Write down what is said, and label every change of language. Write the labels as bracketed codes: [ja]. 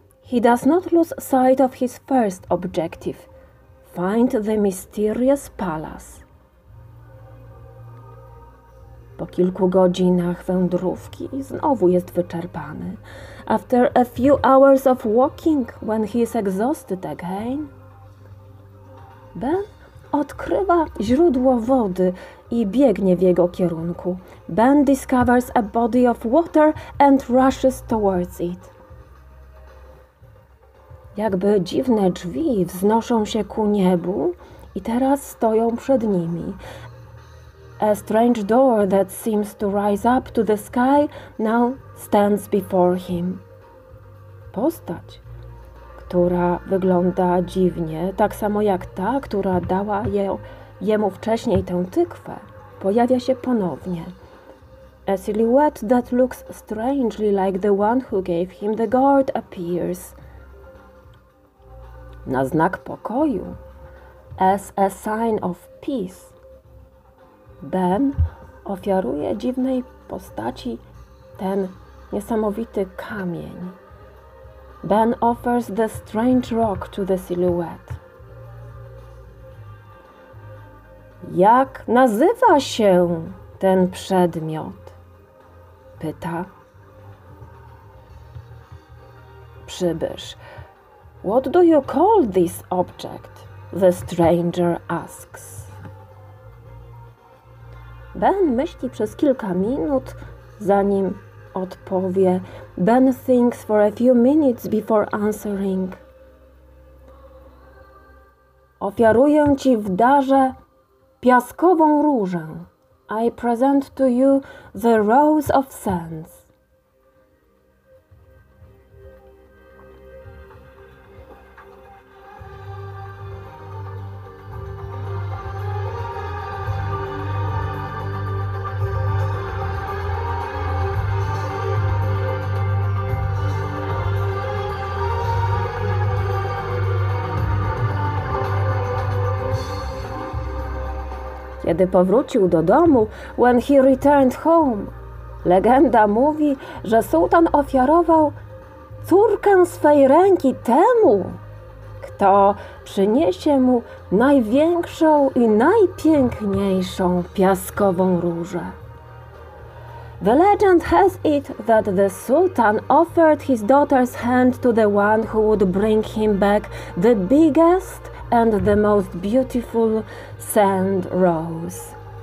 [en] He does not lose sight of his first objective. Find the mysterious palace. [pl] Po kilku godzinach wędrówki znowu jest wyczerpany. [en] After a few hours of walking, when he is exhausted again, [pl] Ben odkrywa źródło wody i biegnie w jego kierunku. [en] Ben discovers a body of water and rushes towards it. [pl] Jakby dziwne drzwi wznoszą się ku niebu i teraz stoją przed nimi. [en] A strange door that seems to rise up to the sky now stands before him. [pl] Postać, która wygląda dziwnie, tak samo jak ta, która dała jemu wcześniej tę tykwę, pojawia się ponownie. [en] A silhouette that looks strangely like the one who gave him the gourd appears. [pl] Na znak pokoju, [en] as a sign of peace, [pl] Ben ofiaruje dziwnej postaci ten niesamowity kamień. [en] Ben offers the strange rock to the silhouette. [pl] Jak nazywa się ten przedmiot? Pyta przybysz. [en] What do you call this object? The stranger asks. [pl] Ben myśli przez kilka minut, zanim odpowie. [en] Ben thinks for a few minutes before answering. [pl] Ofiaruję ci w darze piaskową różę. [en] I present to you the rose of sands. [pl] Kiedy powrócił do domu, [en] when he returned home, [pl] legenda mówi, że sułtan ofiarował córkę swej ręki temu, kto przyniesie mu największą i najpiękniejszą piaskową różę. [en] The legend has it that the sultan offered his daughter's hand to the one who would bring him back the biggest and the most beautiful sand rose.